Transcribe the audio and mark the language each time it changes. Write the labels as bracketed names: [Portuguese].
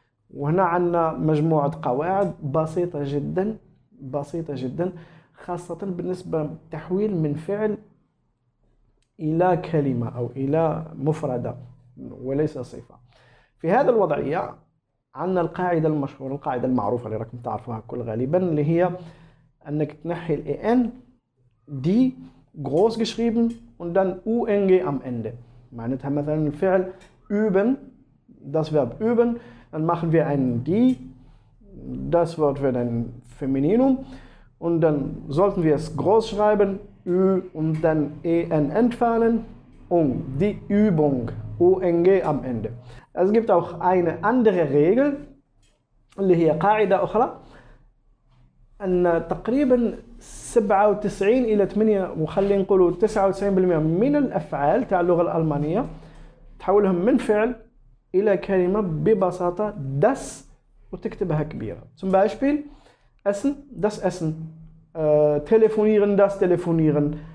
[Arabic] وهنا عندنا مجموعه قواعد بسيطه جدا بسيطه جدا، خاصة بالنسبة للتحويل من فعل إلى كلمة أو إلى مفردة وليس صفة. في هذا الوضعية عندنا القاعدة المشهورة، القاعدة المعروفة اللي راكم تعرفوها كل غالبا، اللي هي أنك تنحي الـ AN [German] دي غروس geschrieben und dann UNG am Ende. [Arabic] معناتها مثلا الفعل [German] üben، das Verb üben، dann machen wir ein die، das Wort wird ein femininum. Und dann sollten wir es groß schreiben, Ü und dann EN entfernen, um die Übung, UNG am Ende. Es gibt auch eine andere Regel, [Arabic] اللي هي قاعدة أخرى، أن تقريبا 97 إلى 8 وخلينا نقولوا 99% من الأفعال تاع اللغة الألمانية تحولهم من فعل إلى كلمة ببساطة das وتكتبها كبيرة. [German] Zum Beispiel Essen, das Essen. Telefonieren, das Telefonieren.